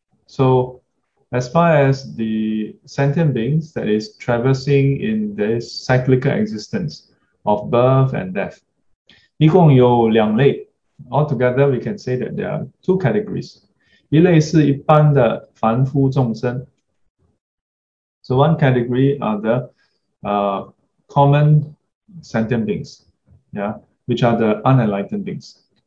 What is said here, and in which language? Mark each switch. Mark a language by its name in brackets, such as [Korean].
[English] So as far as the sentient beings that is traversing in this cyclical existence of birth and death, [Chinese] 一共有两类. [English] Altogether, we can say that there are two categories. [Chinese] 一类是一般的凡夫众生. [English] So one category are the common sentient beings, yeah, which are the unenlightened beings.